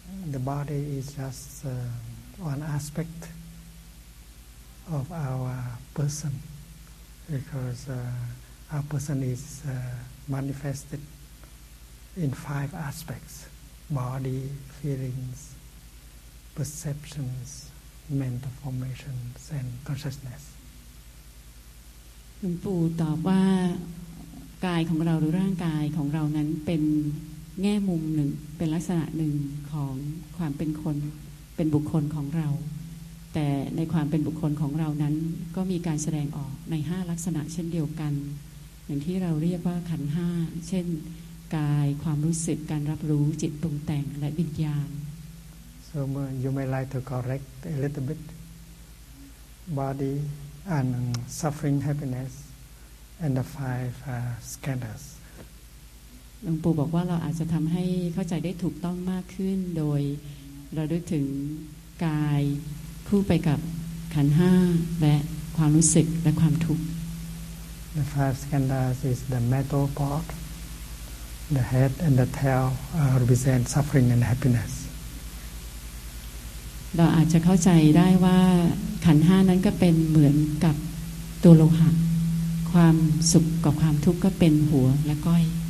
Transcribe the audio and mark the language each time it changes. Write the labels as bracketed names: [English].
[English] The body is just one aspect of our person, because our person is manifested in five aspects: body, feelings, perceptions, mental formations, and consciousness. [Thai] หลวงปู่ตอบว่ากายของเราหรือร่างกายของเรานั้นเป็นแง่มุมหนึ่งเป็นลักษณะหนึ่งของความเป็นคนเป็นบุคคลของเราแต่ในความเป็นบุคคลของเรานั้นก็มีการแสดงออกใน5ลักษณะเช่นเดียวกันอย่างที่เราเรียกว่าขันธ์5เช่นกายความรู้สึกการรับรู้จิตปรุงแต่งและวิญญาณ [English] So you may like to correct a little bit body and suffering happiness and the five skandhas [Thai] หลวงปู่บอกว่าเราอาจจะทำให้เข้าใจได้ถูกต้องมากขึ้นโดยเราดูถึงกายคู่ไปกับขันธ์5และความรู้สึกและความทุกข์ [English] The five skandhas is the mental part the head and the tail represent suffering and happiness [Thai] เราอาจจะเข้าใจได้ว่าขันธ์5นั้นก็เป็นเหมือนกับตัวโลหะความสุขกับความทุกข์ก็เป็นหัวและก้อย